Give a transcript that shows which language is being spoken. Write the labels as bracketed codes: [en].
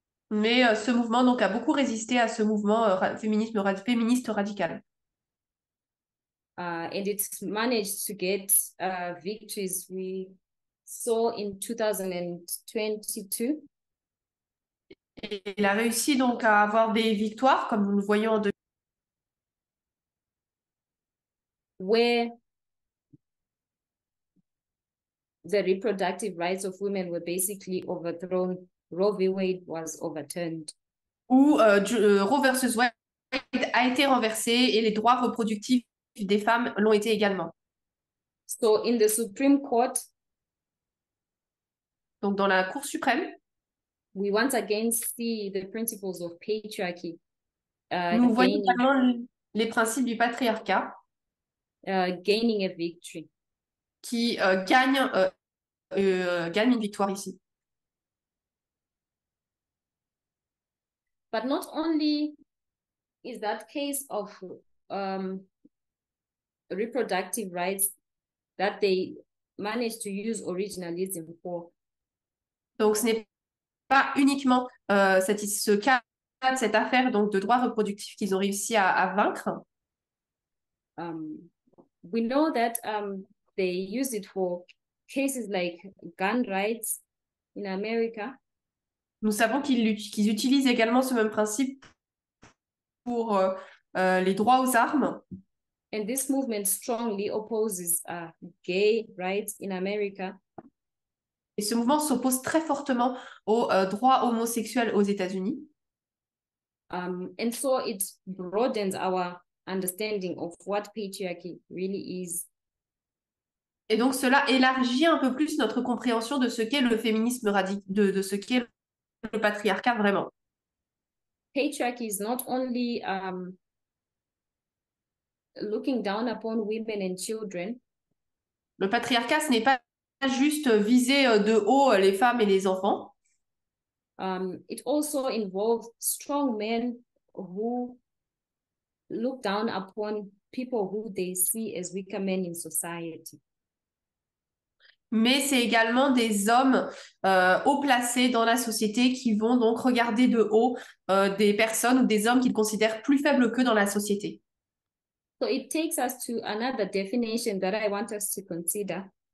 [fr] Mais ce mouvement donc a beaucoup résisté à ce mouvement féministe radical. [en] And it managed to get victories we saw in 2022. [fr] Il a réussi donc à avoir des victoires, comme nous le voyons en 2022. [en] Where the reproductive rights of women were basically overthrown. Roe v. Wade was overturned. [fr] Roe versus Wade a été renversé et les droits reproductifs des femmes l'ont été également. [en] So in the Supreme Court, [fr] donc dans la Cour suprême, [en] we once again see the principles of patriarchy. [fr] Nous voyons également les principes du patriarcat [en] gaining a victory. [fr] Qui gagne une victoire ici. [en] But not only is that case of reproductive rights that they managed to use originalism for. [fr] Donc ce n'est pas uniquement ce cas, cette affaire donc de droits reproductifs qu'ils ont réussi à vaincre. [en] We know that they use it for cases like gun rights in America. [fr] Nous savons qu'ils utilisent également ce même principe pour les droits aux armes. [en] And this movement strongly opposes gay rights in America. [fr] Et ce mouvement s'oppose très fortement aux droits homosexuels aux États-Unis. [en] And so it broadens our understanding of what patriarchy really is. [fr] Et donc cela élargit un peu plus notre compréhension de ce qu'est le féminisme radical, de ce qu'est le patriarcat vraiment. [en] Patriarchy is not only looking down upon women and children. [fr] Le patriarcat, ce n'est pas juste viser de haut les femmes et les enfants. [en] It also involves strong men who look down upon people who they see as weaker men in society. [fr] Mais c'est également des hommes haut placés dans la société qui vont donc regarder de haut des personnes ou des hommes qu'ils considèrent plus faibles qu'eux dans la société. [en] So it takes us to another definition that I want us to consider.